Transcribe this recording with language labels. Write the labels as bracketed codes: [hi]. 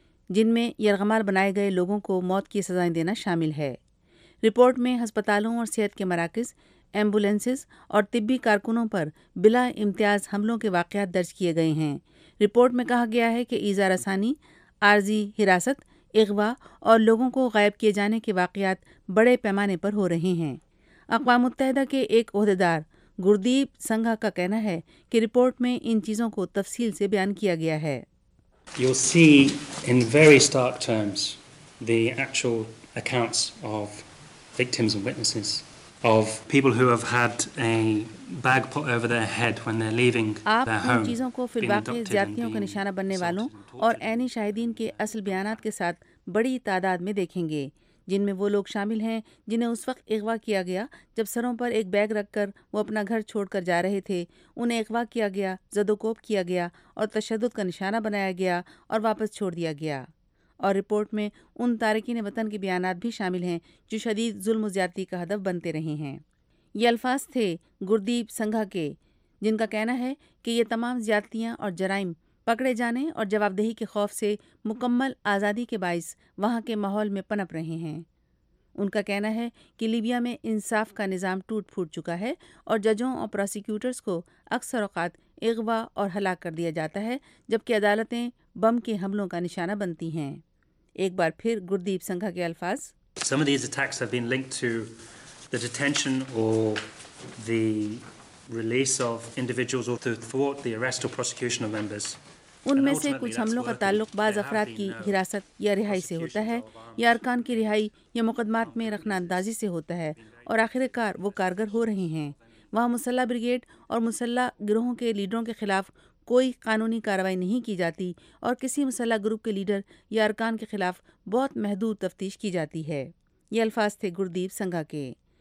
[ur] جن میں یرغمال بنائے گئے لوگوں کو موت کی سزائیں دینا شامل ہے۔ رپورٹ میں ہسپتالوں اور صحت کے مراکز، ایمبولینسز اور طبی کارکنوں پر بلا امتیاز حملوں کے واقعات درج کیے گئے ہیں۔ رپورٹ میں کہا گیا ہے کہ ایذا رسانی، عارضی حراست، اغوا اور لوگوں کو غائب کیے جانے کے واقعات بڑے پیمانے پر ہو رہے ہیں۔ اقوام متحدہ کے ایک عہدیدار گردیپ سنگھا کا کہنا ہے کہ رپورٹ میں ان چیزوں کو تفصیل سے بیان کیا گیا ہے۔ [en] You'll see in very stark terms the actual accounts of victims and witnesses of people who have had a bag put over their head when they're leaving their home. [ur] ان چیزوں کو فی الواقع زیادتیوں کا نشانہ بننے والوں اور عینی شاہدین کے اصل بیانات کے ساتھ بڑی تعداد میں دیکھیں گے، جن میں وہ لوگ شامل ہیں جنہیں اس وقت اغوا کیا گیا جب سروں پر ایک بیگ رکھ کر وہ اپنا گھر چھوڑ کر جا رہے تھے۔ انہیں اغوا کیا گیا، زدوکوب کیا گیا اور تشدد کا نشانہ بنایا گیا اور واپس چھوڑ دیا گیا۔ اور رپورٹ میں ان تارکین وطن کے بیانات بھی شامل ہیں جو شدید ظلم و زیادتی کا ہدف بنتے رہے ہیں۔ یہ الفاظ تھے گردیپ سنگھا کے، جن کا کہنا ہے کہ یہ تمام زیادتیاں اور جرائم پکڑے جانے اور جواب دہی کے خوف سے مکمل آزادی کے باعث وہاں کے ماحول میں پنپ رہے ہیں۔ ان کا کہنا ہے کہ لیبیا میں انصاف کا نظام ٹوٹ پھوٹ چکا ہے اور ججوں اور پروسیکیوٹرز کو اکثر اوقات اغوا اور ہلاک کر دیا جاتا ہے، جبکہ عدالتیں بم کے حملوں کا نشانہ بنتی ہیں۔ ایک بار پھر گردیپ سنگھا کے الفاظ۔ [en] Some of these attacks have been linked to the detention or the release of individuals or to thwart the arrest or prosecution of members. [ur] ان میں سے کچھ حملوں کا تعلق بعض افراد کی حراست یا رہائی سے ہوتا ہے، یا ارکان کی رہائی یا مقدمات میں رکھنا اندازی سے ہوتا ہے، اور آخر کار وہ کارگر ہو رہے ہیں۔ وہاں مسلح بریگیڈ اور مسلح گروہوں کے لیڈروں کے خلاف کوئی قانونی کارروائی نہیں کی جاتی، اور کسی مسلح گروپ کے لیڈر یا ارکان کے خلاف بہت محدود تفتیش کی جاتی ہے۔ یہ الفاظ تھے گردیپ سنگھا کے۔